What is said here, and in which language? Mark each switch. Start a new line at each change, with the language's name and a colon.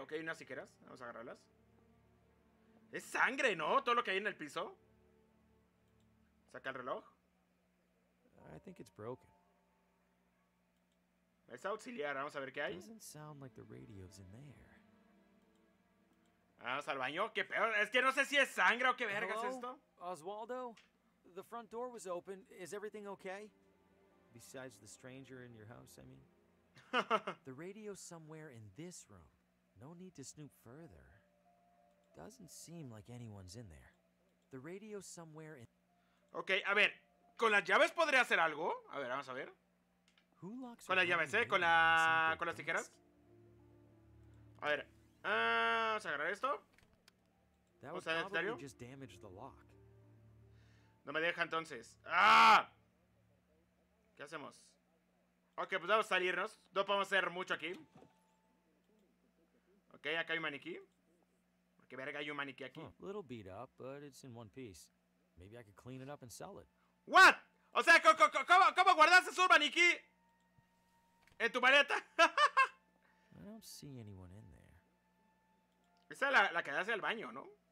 Spanish: Ok, unas tijeras. Vamos a agarrarlas. Es sangre, ¿no? Todo lo que hay en el piso. Saca el reloj.
English: I think it's broken.
Spanish: Es auxiliar, vamos a ver qué hay.
English: Doesn't sound like the radio's in there.
Spanish: Vamos al baño, qué peor, es que no sé si es sangre o qué vergas
English: Hello?
Spanish: Esto.
English: Oswaldo, the front door was open. Is everything okay? Besides the stranger in your house, I mean. The radio's somewhere in this room. No need to snoop further. Doesn't seem like anyone's in there. The radio somewhere in.
Spanish: Okay, a ver. ¿Con las llaves podría hacer algo? A ver, vamos a ver.
English: Who locks
Spanish: con las llaves, ¿eh? Con las tijeras. A ver. Vamos a agarrar esto.
English: That was probably just damaged the lock.
Spanish: No me deja entonces. ¡Ah! ¿Qué hacemos? Ok, pues vamos a salirnos. No podemos hacer mucho aquí. Ok, acá hay un maniquí. Que verga hay un maniquí aquí.
English: A little beat up, but it's in one piece. Maybe I could clean it up and sell it. What?
Spanish: O sea, ¿cómo guardaste su maniquí en tu maleta?
English: I don't see anyone in there.
Spanish: Esa es la que hace el baño, ¿no?